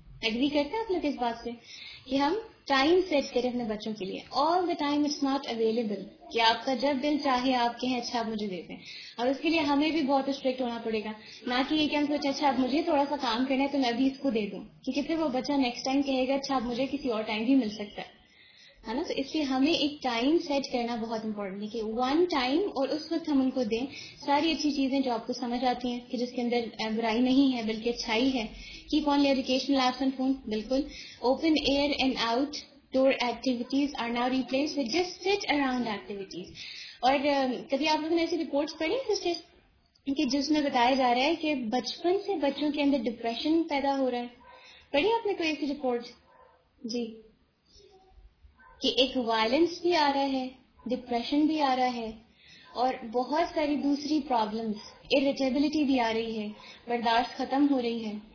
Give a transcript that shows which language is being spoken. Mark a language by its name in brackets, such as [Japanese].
[Urdu] Agri کرتے ہیں آپ لوگ اس بات سے کہ ہم ٹائم سیٹ کریں اپنے بچوں کے لیے؟ [English] all the time it's not available [Urdu] کہ آپ کا جب دل چاہے آپ کہیں اچھا آپ مجھے دیتے ہیں، اور اس کے لیے ہمیں بھی بہت اسٹرکٹ ہونا پڑے گا، نہ کہ یہ کہ ہم سوچیں اچھا آپ مجھے تھوڑا سا کام کرنا ہے تو میں بھی اس کو دے دوں، کیونکہ پھر وہ بچہ نیکسٹ ٹائم کہے گا اچھا آپ مجھے کسی اور ٹائم بھی مل سکتا ہے نا. تو اس لیے ہمیں ایک ٹائم سیٹ کرنا بہت امپورٹنٹ ہے کہ ون ٹائم، اور اس وقت ہم ان کو دیں ساری اچھی چیزیں جو آپ کو سمجھ آتی ہیں کہ جس کے اندر برائی نہیں ہے بلکہ اچھائی ہے. [English] keep on educational apps on phone, [Urdu] بالکل. [English] Open air and outdoor activities are now replace with just sit around activities. [Urdu] اور کبھی آپ لوگوں نے ایسی رپورٹس پڑھی سسٹرز کہ جس میں بتایا جا رہا ہے کہ بچپن سے بچوں کے اندر ڈپریشن پیدا ہو رہا ہے؟ پڑھی آپ نے کوئی ایسی رپورٹ؟ جی کہ ایک وائلنس بھی آ رہا ہے، ڈپریشن بھی آ رہا ہے، اور بہت ساری دوسری پرابلمس، اریٹیبلٹی بھی آ رہی ہے، برداشت ختم ہو رہی ہے.